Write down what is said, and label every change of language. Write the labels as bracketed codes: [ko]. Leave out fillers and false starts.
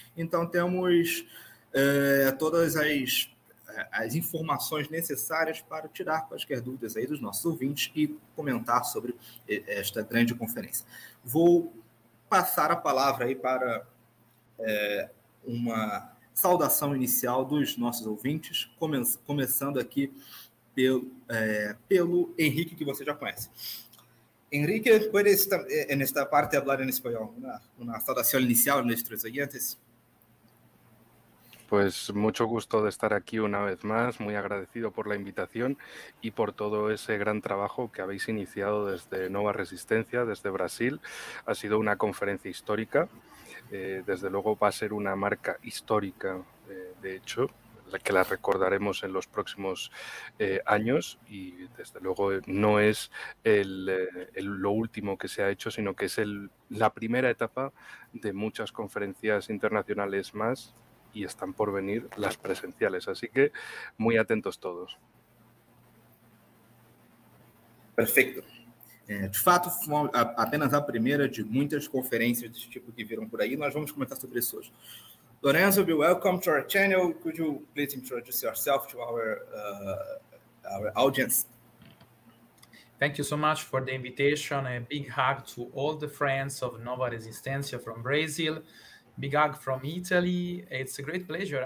[pt] Então, temos todas as informações necessárias para tirar quaisquer dúvidas aí dos nossos ouvintes e comentar sobre esta grande conferência. Vou passar a palavra aí para uma saudação inicial dos nossos ouvintes, começando aqui pelo Henrique, que você já conhece. [es] Enrique, puedes en esta parte hablar en español, una saludación inicial a nuestros oyentes. Pues mucho gusto de estar aquí una vez más, muy agradecido por la invitación y por todo ese gran trabajo que habéis iniciado desde Nova Resistencia, desde Brasil. Ha sido una conferencia histórica, desde luego va a ser una marca histórica, de hecho, que la recordaremos en los próximos años, y desde luego no es lo último que se ha hecho, sino que es la primera etapa de muchas conferencias internacionales más, y están por venir las presenciales. Así que muy atentos todos. Perfecto. [pt] De fato, foi apenas a primeira de muitas conferências desse tipo que viram por aí. Nós vamos comentar sobre isso hoje. Lorenzo, [en] be welcome to our channel. Could you please introduce yourself to our audience? Thank you so much for the invitation. A big hug to all the friends of Nova Resistencia from Brazil. Big hug from Italy. It's a great pleasure.